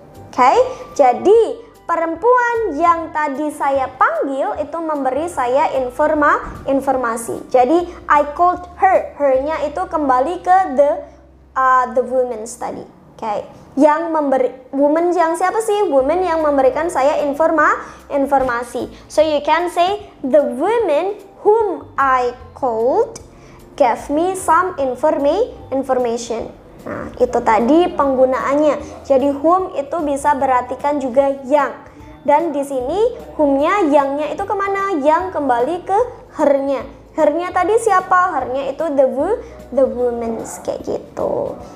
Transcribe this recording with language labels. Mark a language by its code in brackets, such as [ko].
[id] Okay? Jadi perempuan yang tadi saya panggil itu memberi saya informasi. Jadi [en] I called her. [id] Her-nya itu kembali ke [en] the woman's [id] tadi. Okay? Yang memberi woman yang siapa sih? Woman yang memberikan saya informasi. [en] So you can say the woman whom I called gave me some information. [id] Nah, itu tadi penggunaannya. Jadi whom itu bisa berartikan juga yang. Dan di sini whom-nya, yang-nya itu kemana? Yang kembali ke her-nya. Her-nya tadi siapa? Her-nya itu [en] the woman's, [id] kayak gitu.